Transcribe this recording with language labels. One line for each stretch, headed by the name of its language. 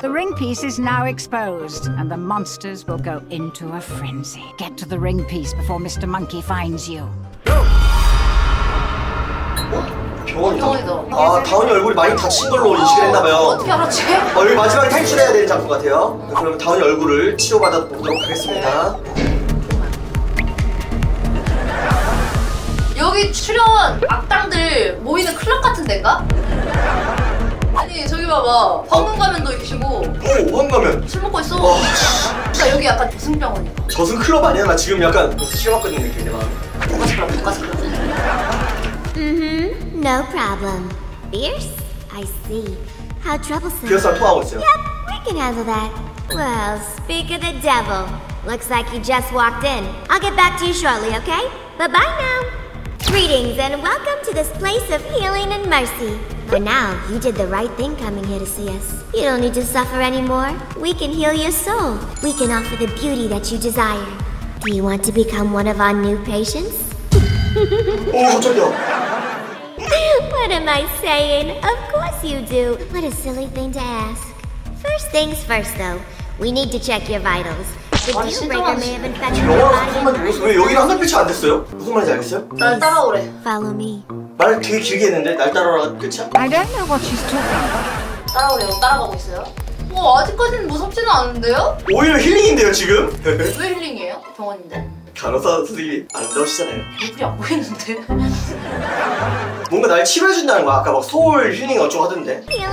English: The ring piece is now exposed, and the monsters will go into a frenzy. Get to the ring piece before Mr. Monkey finds you.
Korean: 병원이다. 병원이다. 아, 다운이 얼굴이 많이 다친 걸로 인식을 했나봐요. 어떻게 알았지? 여기 마지막에 탈출해야 되는 장소 같아요. 그럼 다운이 얼굴을 치료받아 보도록 하겠습니다. 여기 출연 악당들 모이는 클럽 같은 데인가? 아니, 저기 봐봐. 방문 가면도 계시고. 오, 방문 가면. 술 먹고 있어. 와. 진짜 여기 약간 저승병원이야. 저승 클럽 아니야? 나 지금 약간 무슨 시험 같은 느낌이야. 독가스.
English: No problem. Fierce? I see. How troublesome.
Korean: 비어스 다 토하고 있어요.
English: Yep, we can handle that. Well, speak of the devil. Looks like he just walked in. I'll get back to you shortly, okay? Bye-bye now. Greetings and welcome to this place of healing and mercy. But now, you did the right thing coming here to see us. You don't need to suffer anymore. We can heal your soul. We can offer the beauty that you desire. Do you want to become one of our new patients?
Korean: Oh, 깜짝이야.
English: What am I saying? Of course you do. What a silly thing to ask. First things first, though. We need to check your vitals. The dealbreaker may have infected your body.
Korean: 왜 여기는 한 달빛이 안 됐어요? 무슨 말인지 알겠어요? 날 따라오래.
English: Follow me.
Korean: 말을 되게 길게 했는데 날 따라오라 그치야?
English: I don't know what she's talking about.
Korean: 따라오래요. 따라가고 있어요. 뭐 아직까지는 무섭지는 않은데요? 오히려 힐링인데요 지금? 왜 힐링이에요? 병원인데. 간호사 선생님이 아름다우시잖아요. 얼굴이 안 보이는데? 뭔가 날 치료해준다는 거야. 아까 막 소울 힐링 어쩌고 하던데.